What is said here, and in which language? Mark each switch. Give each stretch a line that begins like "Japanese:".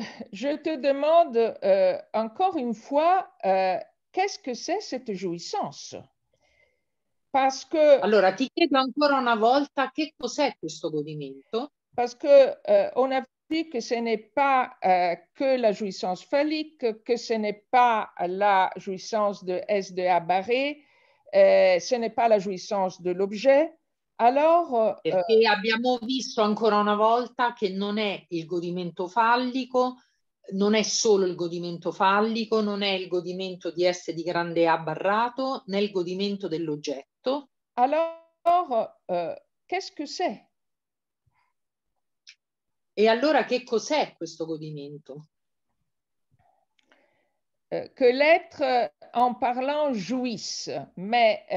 French: Je te demande encore une fois qu'est-ce que c'est cette jouissance? Parce que
Italian: allora ti chiedo ancora una volta che cos'è questo godimento?
French: Parce que on a vu que ce n'est pas que la jouissance phallique, que ce n'est pas la jouissance de S de A barré, ce n'est pas la jouissance de l'objet. Alors,
Italian: perché abbiamo visto ancora una volta che non è il godimento fallico, non è solo il godimento fallico, non è il godimento di S di grande A barrato, né il godimento dell'oggetto.
French: Alors, qu'est-ce que c'est?
Italian: E allora che cos'è questo godimento? Che
French: l'être en parlant jouisse,
Italian: ma...